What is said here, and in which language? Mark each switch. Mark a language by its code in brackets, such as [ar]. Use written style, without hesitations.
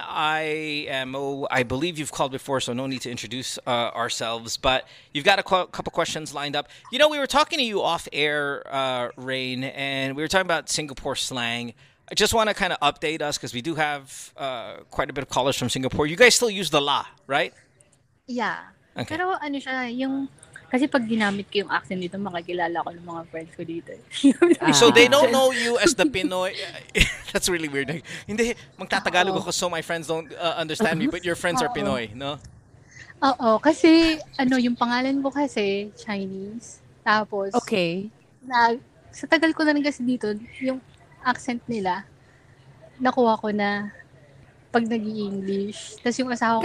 [en] I believe you've called before, so no need to introduce ourselves. But you've got a couple questions lined up. You know, we were talking to you off air, Rain, and we were talking about Singapore slang. I just want to kind of update us because we do have quite a bit of callers from Singapore. You guys still use the la, right? Yeah. Okay. [tl] Pero ano siya, yung kasi pag ginamit ko yung accent dito, makakilala ko ng mga friends ko dito. [en] So they don't know you as the Pinoy. That's really weird. [tl] Hindi, magtatagalog ako [en] so my friends don't understand me, but your friends are Pinoy, no? [tl] Oo, kasi ano, yung pangalan ko kasi Chinese. Tapos [en] Okay. [tl] sa tagal ko na rin kasi dito, yung accent nila nakuha ko na pag nag-i-English. Tapos yung asawa ko